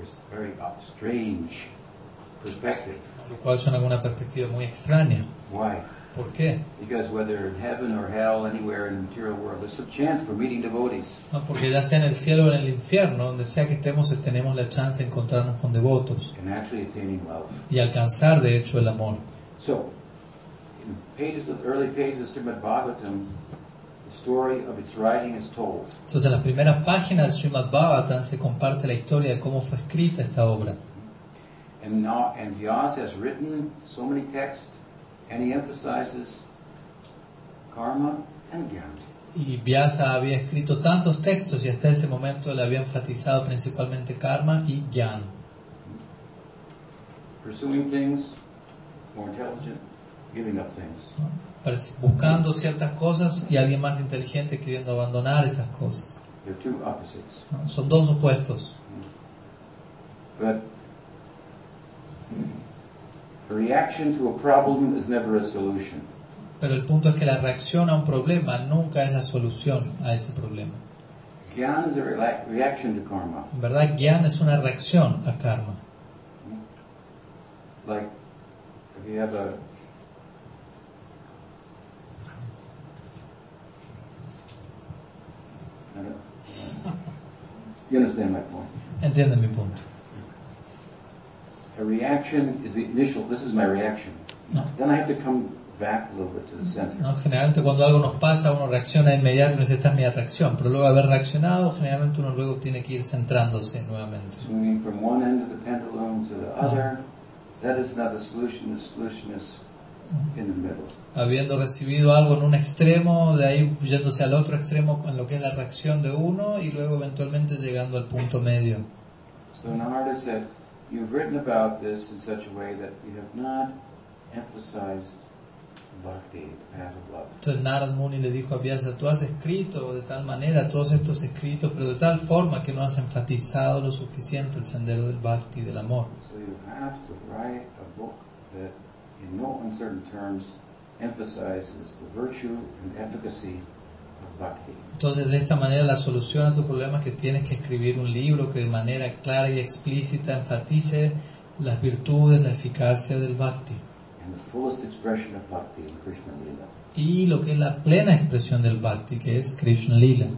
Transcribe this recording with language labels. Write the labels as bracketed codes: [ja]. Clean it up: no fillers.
[en] Very strange perspective. [es] Lo cual suena una perspectiva muy extraña. [en] Why? [es] ¿Por qué? [en] Because whether in heaven or hell, anywhere in the material world, there's a chance for meeting devotees. [es] No, porque ya sea en el cielo o en el infierno, donde sea que estemos, tenemos la chance de encontrarnos con devotos. [en] And actually attaining love. [es] Y alcanzar, de hecho, el amor. [en] So, in the pages of the early pages of Srimad Bhagavatam, the story of its writing is told. [es] Entonces, en las primeras páginas de Srimad Bhagavatam se comparte la historia de cómo fue escrita esta obra. [en] And Vyasa has written so many texts, and he emphasizes karma and jnana. [es] Y Vyasa había escrito tantos textos y hasta ese momento le había enfatizado principalmente karma y jnana. [en] Pursuing things, more intelligent, giving up things. [es] Buscando ciertas cosas y alguien más inteligente queriendo abandonar esas cosas. [en] They're two opposites. [es] Son dos opuestos. [en] But a reaction to a problem is never a solution. [es] Pero el punto es que la reacción a un problema nunca es la solución a ese problema. [en] Gyan is a reaction to karma. [es] En verdad, gyan es una reacción a karma. [en] Like if you have you understand my point. [es] Entiende mi punto. [en] A reaction is the initial. This is my reaction. Then I have to come back a little bit to the center. [es] No, generalmente cuando algo nos pasa, uno reacciona inmediato y dice, esta es mi reacción. Pero luego de haber reaccionado, generalmente uno luego tiene que ir centrándose nuevamente. [en] Swinging from one end of the pendulum to the other, that is not the solution. The solution is in the middle. [es] Habiendo recibido algo en un extremo, de ahí yéndose al otro extremo con lo que es la reacción de uno y luego eventualmente llegando al punto medio. [en] So Narada said, you've written about this in such a way that you have not emphasized bhakti, the path of love. [es] Entonces Narad Muni le dijo a Vyasa, tú has escrito de tal manera todos estos escritos, pero de tal forma que no has enfatizado lo suficiente el sendero del bhakti, del amor. [en] So you have to write a book that in no uncertain terms emphasizes the virtue and efficacy. [es] Entonces, de esta manera, la solución a tu problema es que tienes que escribir un libro que de manera clara y explícita enfatice las virtudes, la eficacia del bhakti. [en] And the fullest expression of bhakti in Krishna Lila. [es] Y lo que es la plena expresión del bhakti, que es Krishna Lila.